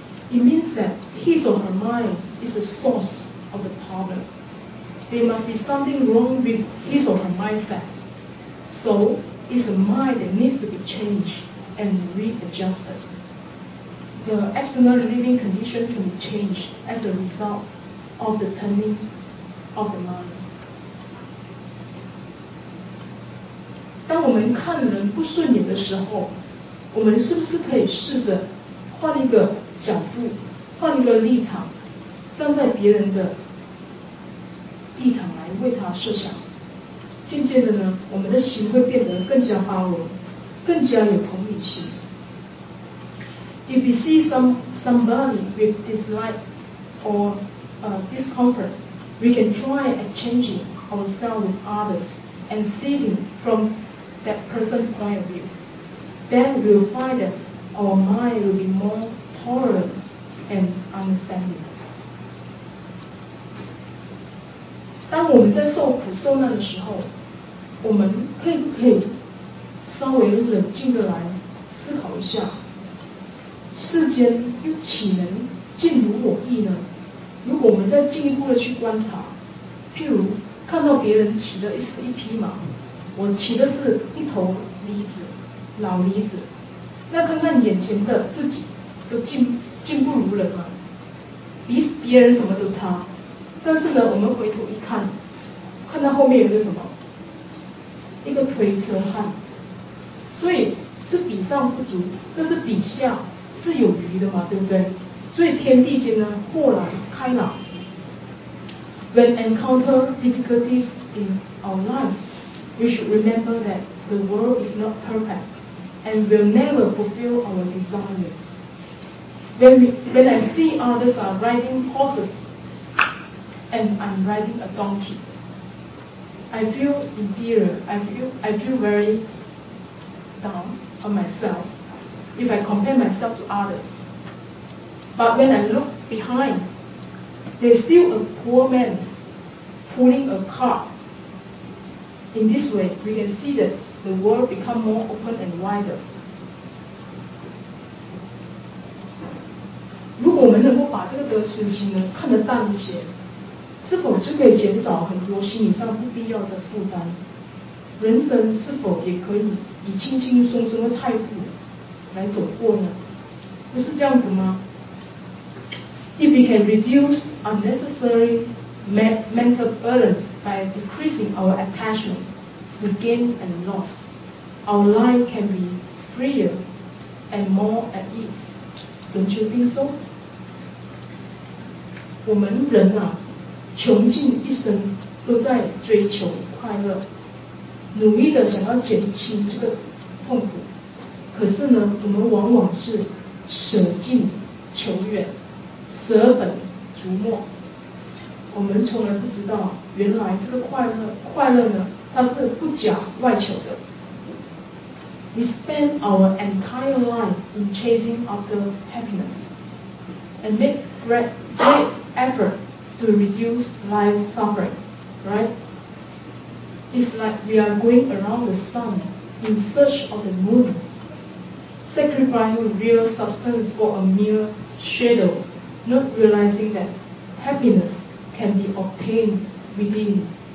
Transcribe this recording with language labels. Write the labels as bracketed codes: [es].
[en] It means that his or her mind is the source of the problemThere must be something wrong with his or her mindset. So, it's a mind that needs to be changed and readjusted. The external living condition can be changed as a result of the turning of the mind. [zh] 当我们看人不顺眼的时候，我们是不是可以试着换一个角度，换一个立场，站在别人的立场来为他设想，渐渐的呢，我们的心会变得更加包容，更加有同理心。 [en] If you see somebody with dislike or discomfort, we can try exchanging ourselves with others and seeing from that person's point of view. Then we'll find that our mind will be more tolerant and understanding. [zh] 当我们在受苦受难的时候，我们可以不可以稍微冷静的来思考一下，世间又岂能尽如我意呢？如果我们再进一步的去观察，譬如看到别人骑的是一匹马，我骑的是一头驴子，老驴子，那看看眼前的自己都进不如人吗？比别人什么都差。但是呢，我们回头一看，看到后面有个什么，一个推车汉，所以是比上不足，但是比下是有余的嘛，对不对？所以天地间呢，豁然开朗。 [en] When encounter difficulties in our life, we should remember that the world is not perfect and will never fulfill our desires. When I see others are riding horses. And I'm riding a donkey. I feel inferior. I feel very down on myself if I compare myself to others. But when I look behind, there's still a poor man pulling a car. In this way, we can see that the world become more open and wider. [zh] 如果我们能够把这个得失心呢看得淡一些。是否就可以减少很多心理上不必要的负担？人生是否也可以以轻轻松松的态度来走过呢？不是这样子吗？ [en] If we can reduce unnecessary mental burdens by decreasing our attachment to gain and loss, our life can be freer and more at ease. Don't you think so? [zh] 我们人啊，穷尽一生都在追求快乐，努力的想要减轻这个痛苦。可是呢，我们往往是舍近求远，舍本逐末。我们从来不知道，原来这个快乐呢，它是不假外求的。 [en] We spend our entire life in chasing after happiness, and make great effort to reduce life's suffering, right? It's like we are going around the sun in search of the moon, sacrificing real substance for a mere shadow, not realizing that happiness can be obtained within.